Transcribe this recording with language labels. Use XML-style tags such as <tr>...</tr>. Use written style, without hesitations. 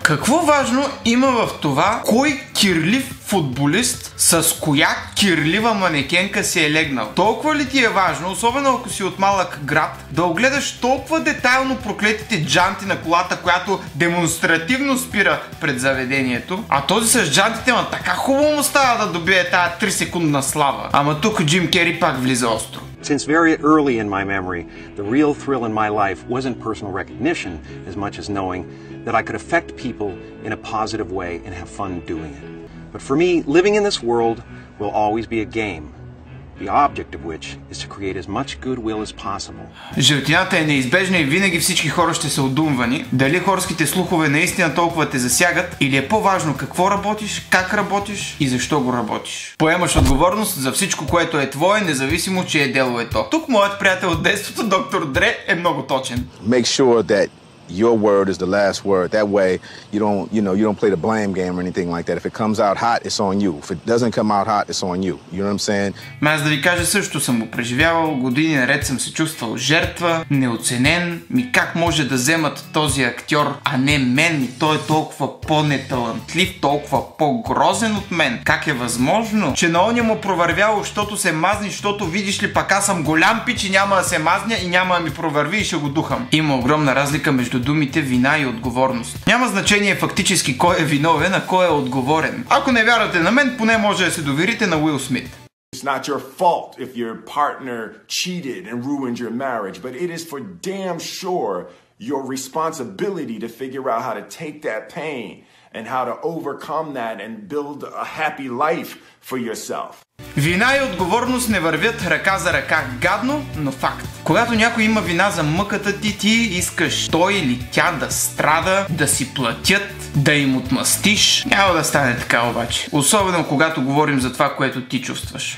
<bg>Какво важно има в това кой кирлив футболист с коя кирлива манекенка се е легнал? Толкова ли ти е важно, особено ако си от малък град, да огледаш толкова детайлно проклетите джанти на колата, която демонстративно спира пред заведението? А този с джантите, ма така хубаво му става да добие тая 3 секундна слава. Ама тук Джим Кери пак влиза остро.</bg> <en>Since very early in my memory, the real thrill in my life wasn't personal recognition as much as knowing that I could affect people in a positive way and have fun doing it. But for me, living in this world will always be a game, the object of which is to create as much goodwill as possible.</en> <bg>Животината е неизбежна и винаги всички хора ще са удумвани. Дали хорските слухове наистина толкова те засягат или е по-важно какво работиш, как работиш и защо го работиш. Поемаш отговорност за всичко, което е твое, независимо че е дело е то. Тук моят приятел от детството, доктор Дре, е много точен.</bg> <en>Make sure that your word is the last word. That way you don't play the blame game or anything like that. If it comes out hot, it's on you. If it doesn't come out hot, it's on you. You know what I'm saying?</en> <bg>Ма аз да ви кажа, също съм го преживявал. Години наред съм се чувствал жертва, неоценен. Ми как може да вземат този актьор, а не мен? И той е толкова по-неталантлив, толкова по-грозен от мен. Как е възможно, че на оня му провървяло, защото се мазни, защото видиш ли пак аз съм голям пич и няма да се мазня и няма да ми провърви и ще го духам. Има огромна разлика между думите вина и отговорност. Няма значение фактически кой е виновен, а кой е отговорен. Ако не вярвате на мен, поне може да се доверите на Уил Смит.</bg> <en>It's not your fault if your partner cheated and ruined your marriage, but it is for damn sure your responsibility to figure out how to take that pain and how to overcome that and build a happy life for yourself.</en> <bg>Вина и отговорност не вървят ръка за ръка, гадно, но факт. Когато някой има вина за мъката ти, ти искаш той или тя да страда, да си платят, да им отмъстиш. Няма да стане така обаче. Особено когато говорим за това, което ти чувстваш.</bg>